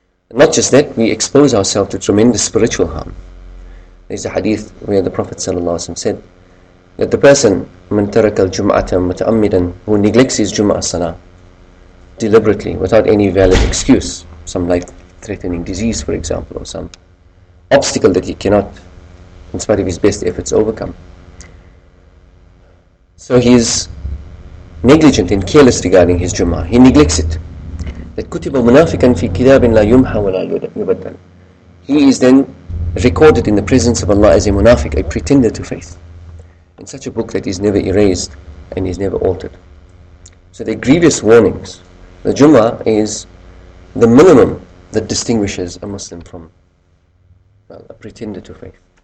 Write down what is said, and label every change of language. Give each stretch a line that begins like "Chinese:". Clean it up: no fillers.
English: And not just that, we expose ourselves to tremendous spiritual harm. There's a hadith where the Prophet ﷺ said that the person,
Arabic: من ترك الجمعة متأمدا,
English: who neglects his Jum'ah Salah deliberately, without any valid excuse, some life-threatening disease, for example, or some obstacle that he cannot, in spite of his best efforts, overcome. So he is negligent and careless regarding his Jum'ah. He neglects it. That
Arabic: كُتِبَ مُنَافِقًا فِي كِتَابٍ لَا يُمْحَى وَلَا يُبَدَّلُ.
English: He is then recorded in the presence of Allah as a munafiq, a pretender to faith, in such a book that is never erased and is never altered. So they're grievous warnings. The Jummah is the minimum that distinguishes a Muslim from, well, a pretender to faith.